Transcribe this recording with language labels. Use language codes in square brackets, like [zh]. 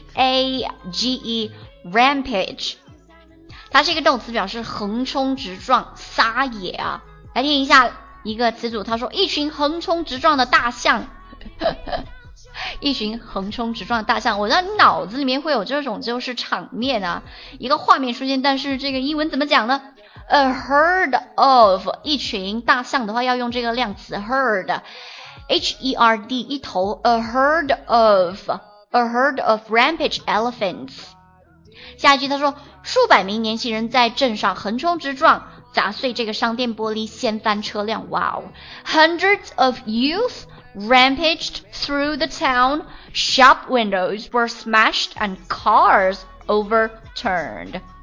[zh] R-A-M-P-A-G-E Rampage， 它是一个动词，表示横冲直撞，撒野啊。来听一下一个词组，他说一群横冲直撞的大象。一群横冲直撞的大象，我的脑子里面会有这种就是场面啊，一个画面出现，但是这个英文怎么讲呢？ [en] A herd of， [zh] 一群大象的话要用这个量词 herd， H-E-R-D 一头， [en] A herd of rampage elephants。 [zh] 下一句他说数百名年轻人在镇上横冲直撞，砸碎这个商店玻璃，掀翻车辆。 [en] Wow， Hundreds of youth rampaged through the town， Shop windows were smashed and cars overturned。